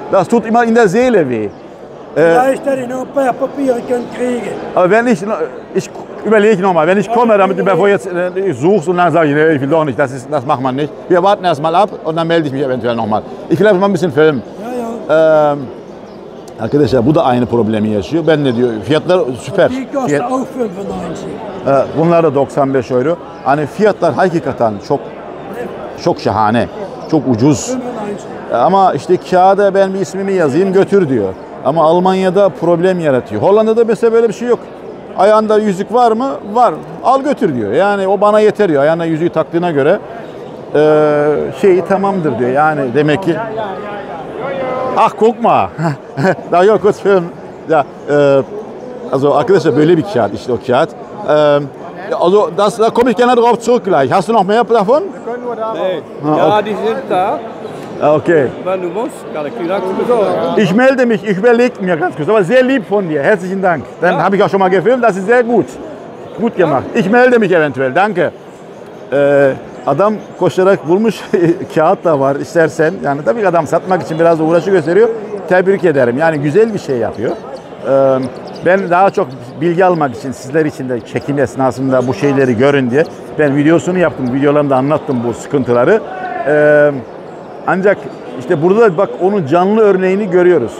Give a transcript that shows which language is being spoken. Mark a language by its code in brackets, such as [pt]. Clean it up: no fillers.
[de] Das tut immer in der Seele weh. Vielleicht hätte ich noch ein paar Papiere können kriegen. Aber wenn ich überlege nochmal, wenn ich komme, damit du, bevor jetzt, ich suchst und dann sage ich, nee, ich will doch nicht, das macht man nicht. Wir warten erstmal ab und dann melde ich mich eventuell nochmal. Ich will einfach mal ein bisschen filmen. Ja, ja. [tr] Arkadaşlar, bu da aynı problemi yaşıyor. Ben de diyor, fiyatlar süper. [de] Die kostet auch 95. [tr] Bunlar da 95 euro. Hani fiyatlar hakikaten çok, çok şahane. Çok ucuz. Ama işte kağıda ben bir ismimi yazayım götür diyor. Ama Almanya'da problem yaratıyor. Hollanda'da mesela böyle bir şey yok. Ayağında yüzük var mı? Var. Al götür diyor. Yani o bana yeter diyor. Ayağında yüzüğü taktığına göre şeyi tamamdır diyor. Yani demek ki. Ah korkma. Da yok kurz film. Ya also arkadaşlar böyle bir kağıt işte o kağıt. [de] Also das da komme ich gerne drauf zurück gleich. Hast du noch mehr davon? Ja, die sind da. Okay. Wenn du musst, ich melde mich, ich überlege mir ganz kurz. Aber sehr lieb von dir, herzlichen Dank. Dann ja? Habe ich auch schon mal gefilmt, das ist sehr gut. Gut gemacht. Ich melde mich eventuell, danke. [tr] Adam koşarak bulmuş, kağıt da var istersen. Yani tabii adam satmak için biraz da uğraşı gösteriyor. Tebrik ederim, yani güzel bir şey yapıyor. Ben daha çok bilgi almak için, sizler için de çekim esnasında bu şeyleri görün diye. Ben videosunu yaptım, videolarımda anlattım bu sıkıntıları. Ancak işte burada bak onun canlı örneğini görüyoruz.